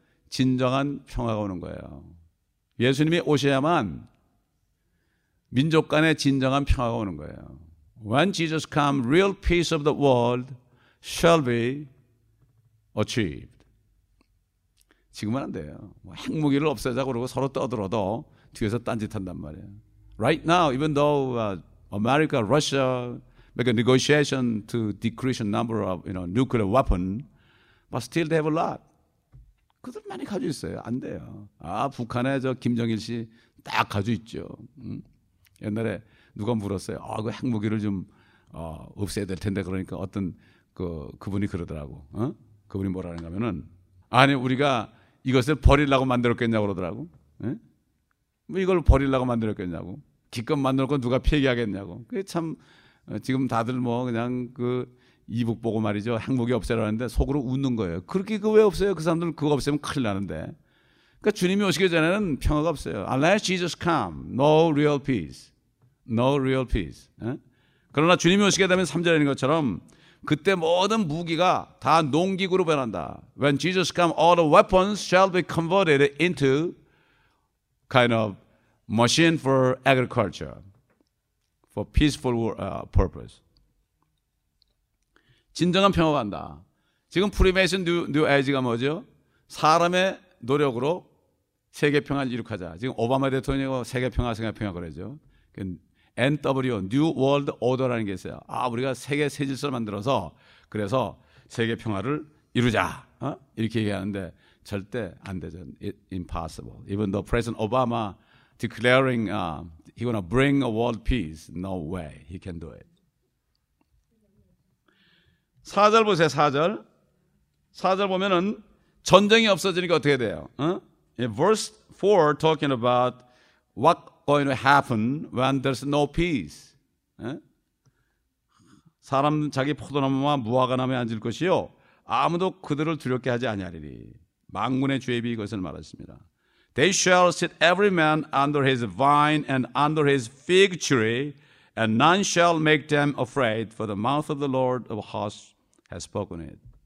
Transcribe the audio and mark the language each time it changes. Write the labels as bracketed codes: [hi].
[ko] 진정한 평화가 오는 거예요. 예수님이 오셔야만 민족 간에 진정한 평화가 오는 거예요. [en] When Jesus come, real peace of the world shall be achieved. [ko] 지금은 안 돼요. 핵무기를 없애자고 그러고 서로 떠들어도 뒤에서 딴짓한단 말이에요. [en] Right now, even though America, Russia make a negotiation to decrease the number of nuclear weapon, but still they have a lot. [ko] 그들 많이 가지고 있어요. 안 돼요. 북한에 저 김정일 씨 딱 가지고 있죠. 옛날에 누가 물었어요. 그 핵무기를 좀 없애야 될 텐데 그러니까 어떤 그분이 그러더라고. 그분이 뭐라는가 하면은 아니 우리가 이것을 버리려고 만들었겠냐고 그러더라고. 에? 뭐 이걸 버리려고 만들었겠냐고. 기껏 만들고 누가 폐기하겠냐고. 그게 참 지금 다들 뭐 그냥 그 이북 보고 말이죠. 핵무기 없애라는데 속으로 웃는 거예요. 그렇게 그 왜 없어요? 그 사람들 그거 없애면 큰일 나는데. 그러니까 주님이 오시기 전에는 평화가 없어요. [en] Unless Jesus come, no real peace. No real peace. 에? [ko] 그러나 주님이 오시게 되면 3절에 있는 것처럼 그때 모든 무기가 다 농기구로 변한다. [en] When Jesus come, all the weapons shall be converted into kind of machine for agriculture, for peaceful purpose. [ko] 진정한 평화가 온다. 지금 프리메이슨 뉴 에이지가 뭐죠? 사람의 노력으로 세계 평화를 이룩하자. 지금 오바마 대통령이 세계 평화, 세계 평화 그러죠. NWO, New World Order라는 게 있어요. 우리가 세계 새 질서를 만들어서 그래서 세계 평화를 이루자. 이렇게 얘기하는데 절대 안 되죠. [en] It's impossible. Even though President Obama declaring he gonna bring a world peace, no way he can do it. [ko] 4절 보세요, 4절. 4절 보면은 전쟁이 없어지니까 어떻게 돼요? [en] Verse 4 talking about what going to happen when there's no peace. [ko] 사람 자기 포도나무와 무화과나무에 앉을 것이요 아무도 그들을 두렵게 하지 아니하리니 만군의 주의비 이것을 말했습니다. [en] They shall sit every man under his vine and under his fig tree and none shall make them afraid for the mouth of the Lord of hosts has spoken it.